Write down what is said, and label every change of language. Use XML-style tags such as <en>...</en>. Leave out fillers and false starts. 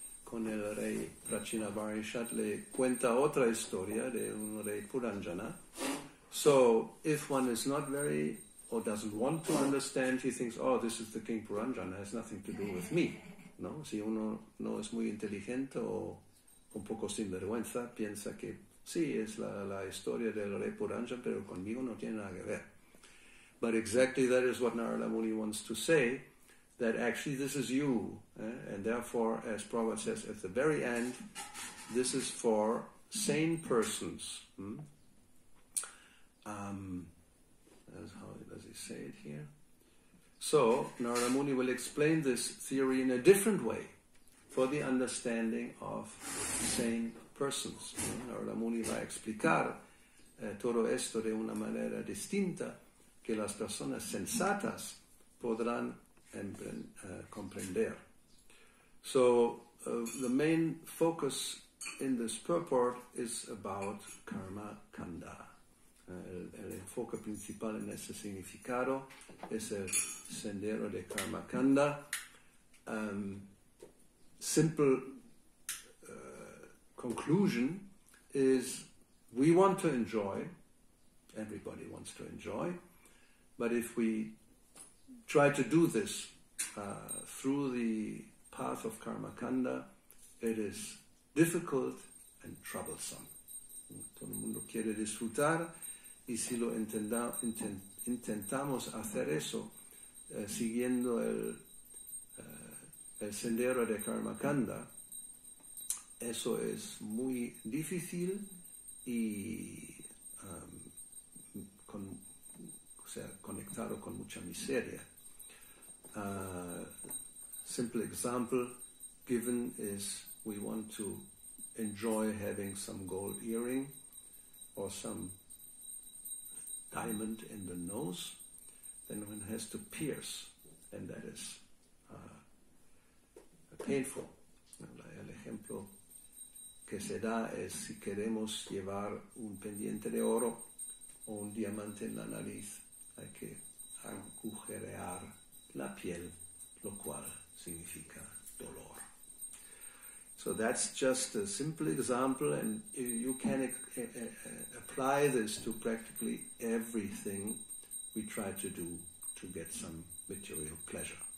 <es>Con el rey Prachinabarhishat le cuenta otra historia de un rey Puranjana.</es> <en>So if one is not very, or doesn't want to understand, he thinks, oh, this is the king Puranjana, it has nothing to do with me.</en> <es>¿No? Si uno no es muy inteligente o un poco sinvergüenza, piensa que sí, es la historia del rey Puranjana, pero conmigo no tiene nada que ver.</es> <en>But exactly that is what Narada Muni wants to say, that actually this is you. And therefore, as Prabhupada says at the very end, this is for sane persons. That's how does he say it here. So, Narada Muni will explain this theory in a different way, for the understanding of sane persons.</en> <es>Narada Muni va a explicar todo esto de una manera distinta que las personas sensatas podrán comprender.</es> <en>So, the main focus in this purport is about karma kanda.</en> <es>el enfoque principal en ese significado es el sendero de Karma Kanda.</es> <en>Simple conclusion is we want to enjoy, everybody wants to enjoy, but if we try to do this through the path of Karma Kanda, it is difficult and troublesome.</en> <es>Todo el mundo quiere disfrutar, y si lo intentamos hacer eso siguiendo el sendero de Karma Kanda, eso es muy difícil y conectado con mucha miseria.</es> <en>Simple example given is we want to enjoy having some gold earring or some diamond in the nose, then one has to pierce, and that is painful.</en> <es>El ejemplo que se da es si queremos llevar un pendiente de oro o un diamante en la nariz, hay que agujerear la piel, lo cual significa dolor.</es> <en>So that's just a simple example, and you can apply this to practically everything we try to do to get some material pleasure.</en>